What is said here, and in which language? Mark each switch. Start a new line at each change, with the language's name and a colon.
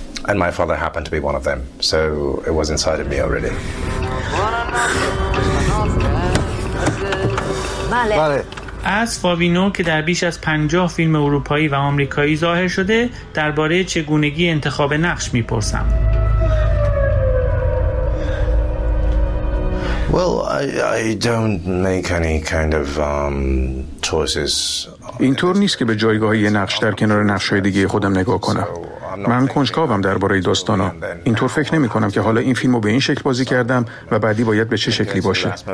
English: And my father happened to be one of them, so it was inside of me already.
Persian: از فابینو که در بیش از 50 فیلم اروپایی و آمریکایی ظاهر شده، درباره چگونگی انتخاب نقش می‌پرسم.
English: Well, I don't make any kind of choices.
Persian: اینطور نیست که به جایگاه یه نقش در کنار نقش‌های دیگه خودم نگاه کنم. من کنجکاوم درباره داستانا. اینطور فکر نمی کنم که حالا این فیلمو به این شکل بازی کردم و بعدی باید به چه شکلی باشه.